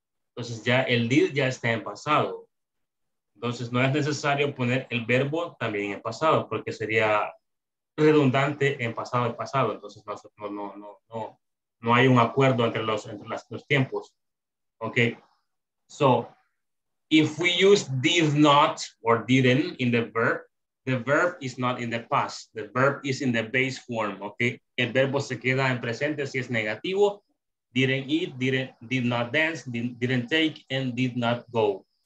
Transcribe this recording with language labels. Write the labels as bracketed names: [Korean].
[Spanish] Entonces ya el did ya está en pasado. Entonces no es necesario poner el verbo también en pasado porque sería redundante en pasado y pasado. Entonces no hay un acuerdo entre los tiempos. Ok. [English] So, if we use did not or didn't in the verb is not in the past. The verb is in the base form. Ok. [Spanish] El verbo se queda en presente si es negativo. [English] Didn't eat, did not dance, didn't take, and did not go.